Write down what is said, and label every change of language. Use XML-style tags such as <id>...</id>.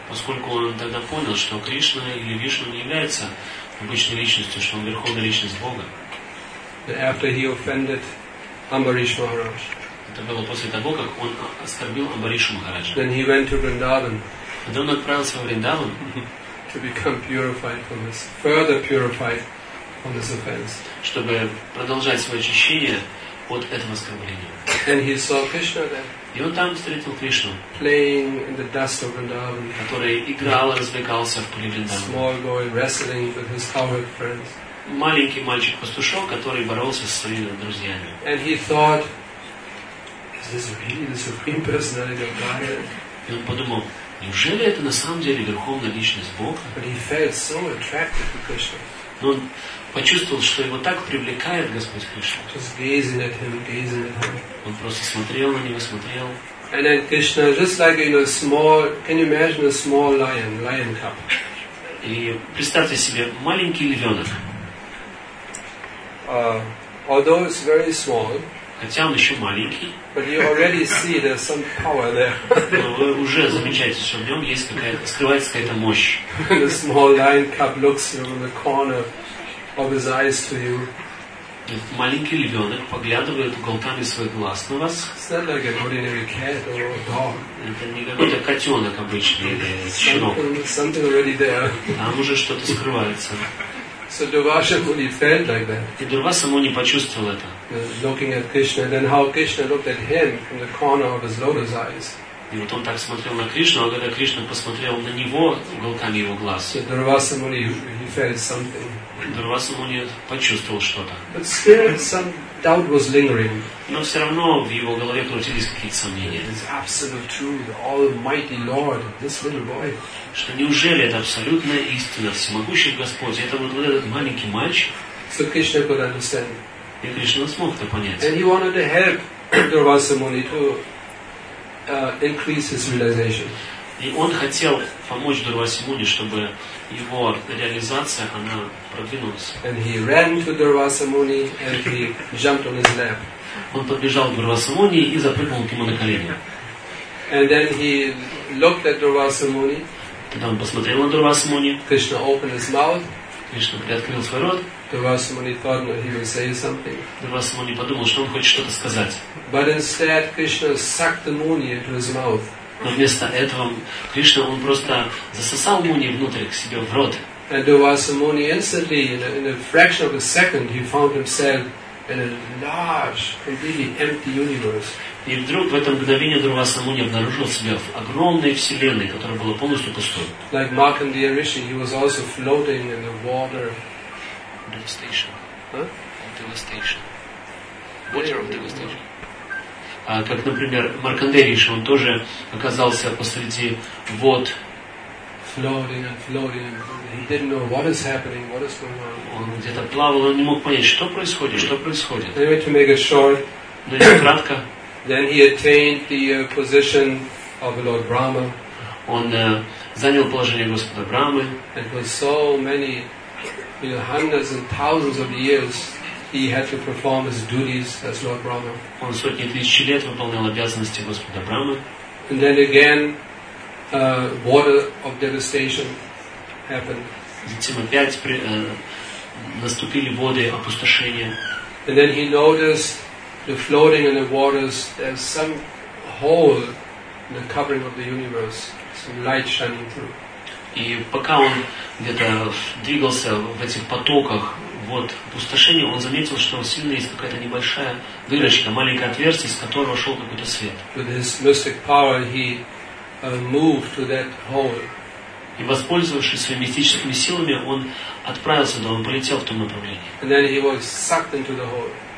<ru>Поскольку он тогда понял, что Кришна или Вишну не является обычной личностью, что он верховная личность Бога.</ru> <en>After he offended Ambarish Maharaj.</en> <ru>Это было после того, как он оскорбил Амбаришу Махараджа.</ru> <en>Then he went to Vrindavan.</en> <ru>Когда он отправился во Вриндаван.</ru> <en>To become purified from this, further purified from this offense.</en> <ru>Чтобы продолжать свое очищение от этого оскорбления.</ru> <en>And he saw Krishna there.</en> <ru>И он там встретил Кришну.</ru> <en>Playing in the dust of Vrindavan.</en> <ru>Который играл и развлекался в поле Вриндавана.</ru> <en>Small boy wrestling with his cowherd friends.</en> <ru>Маленький мальчик-пастушок, который боролся со своими друзьями.</ru> <en>And he thought, is this really the supreme personality of God?</en> <ru>И он подумал. Неужели это на самом деле Верховная Личность Бога?</ru> <en>But he felt so attracted to Krishna.</en> <ru>Но он почувствовал, что его так привлекает Господь Кришна.</ru> <en>Just gazing at him, gazing at him.</en> <ru>Он просто смотрел на него, смотрел.</ru> <en>And then Krishna, just like in a small, can you imagine a small lion, lion cub?</en> <ru>И представьте себе маленький львенок.</ru> <en>Although it's very small.</en> <ru>Хотя он еще маленький.</ru> <en>But you already see there's some power there.</en> <ru>Но вы уже замечаете, что в нем есть какая-то скрывается какая-то мощь.</ru> <en>The small lion cub looks from the corner of his eyes to you.</en> <ru>Маленький львенок поглядывает уголками своих глаз на вас.</ru> <en>It's not like an ordinary cat or dog.</en> <ru>Это не какой-то котенок обычный или щенок.</ru> <en>Something already there.</en> <ru>Там уже что-то скрывается.</ru> <en>So Durvasa Muni felt like that.</en> <ru>И Дурваса Муни почувствовал это.</ru> <en>Looking at Krishna, then how Krishna looked at him from the corner of his lotus eyes.</en> <ru>И вот он так смотрел на Кришну, а когда Кришна посмотрел на него уголками его глаз.</ru> <en>So Durvasa Muni, he felt something.</en> <ru>Дурваса Муни почувствовал что-то.</ru> <en>But still, some doubt was lingering.</en> <ru>Но все равно в его голове крутились какие-то сомнения.</ru> <en>It's absolute truth, Almighty Lord, this little boy.</en> <ru>Что неужели это абсолютная истина, всемогущий Господь, это вот этот маленький мальчик?</ru> <en>So Krishna could understand.</en> <ru>И Кришна смог это понять.</ru> <en>And he wanted to help Durvasa Muni to increase his realization.</en> <ru>И он хотел помочь Дурвасе Муни, чтобы его реализация, она продвинулась.</ru> <en>And he ran to Durvasa Muni and he jumped on his lap.</en> <ru>Он подбежал к Дурвасе Муни и запрыгнул к нему на колени.</ru> <en>And then he looked at Durvasa Muni.</en> <ru>Когда он посмотрел на Дурваса Муни,</ru> <en>Кришна opened his mouth.</en> <ru>Кришна приоткрыл свой рот.</ru> <en>Дурваса Муни thought that he would say something.</en> <ru>Дурваса Муни подумал, что он хочет что-то сказать.</ru> <en>But instead, Krishna sucked the Muni into his mouth.</en> <ru>Но вместо этого Кришна он просто засосал Муни внутрь к себе в рот.</ru> <en>And Дурваса Муни instantly, in a fraction of a second, he found himself in a large, completely empty universe.</en> <ru>И вдруг в это мгновение Дурваса Муни обнаружил себя в огромной вселенной, которая была полностью пустой.</ru> <en>Like Markandeya Rishi, he was also floating in the water. Devastation. Huh? Devastation. Water of devastation.</en> <ru>Как, например, Маркандея Риши, он тоже оказался посреди вод.</ru> <en>Floating and floating. He didn't know what is happening, what is going on.</en> <ru>Он где-то плавал, он не мог понять, что происходит, что происходит.</ru> <en>Anyway, to make it short.</en> <ru>Но если кратко.</ru> <en>Then he attained the position of Lord Brahma.</en> <ru>Он занял положение Господа Брамы.</ru> <en>And for so many, you know, hundreds and thousands of years, he had to perform his duties as Lord Brahma.</en> <ru>Он сотни тысяч лет выполнял обязанности Господа Брамы.</ru> <en>And then again, water of devastation happened.</en> <ru>Затем опять наступили воды опустошения.</ru> <en>And then he noticed the floating in the waters, there's some hole in the covering of the universe, some light shining through.</en> <ru>И пока он где-то двигался в этих потоках вод опустошения, он заметил, что сильно есть какая-то небольшая дырочка, маленькое отверстие, из которого шел какой-то свет.</ru> <en>With his mystic power, he moved to that hole.</en> <ru>И воспользовавшись своими мистическими силами, он отправился, он полетел в том направлении.</ru> <en>And then he was sucked into the hole.</en>